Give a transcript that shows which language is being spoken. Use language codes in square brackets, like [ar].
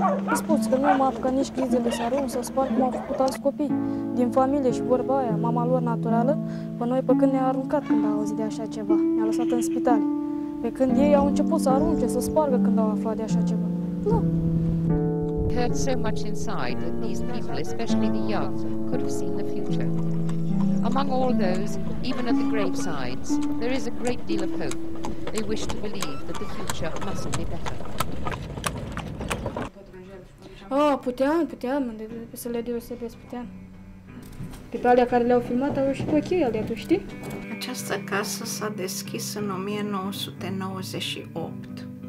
[ro] Îți spus că nu mă apucă nici crizele să arunc, să spar cum au făcut alți copii din familie și vorba aia, mama lor naturală, pe noi pe când ne-a aruncat când a auzit de așa ceva, ne-a lăsat în spital. Pe când ei au început să arunce, să spargă când au aflat de așa ceva. Nu. [en] Heard so much inside that these people, especially the young, could have seen the future. Among all those, even at the gravesides, there is a great deal of hope. They wish to believe that the future must be better. [ro] Oh, puteam, să le deosebesc, puteam. Pe alea care le-au filmat au ieșit ok alea, tu știi? Această casă s-a deschis în 1998.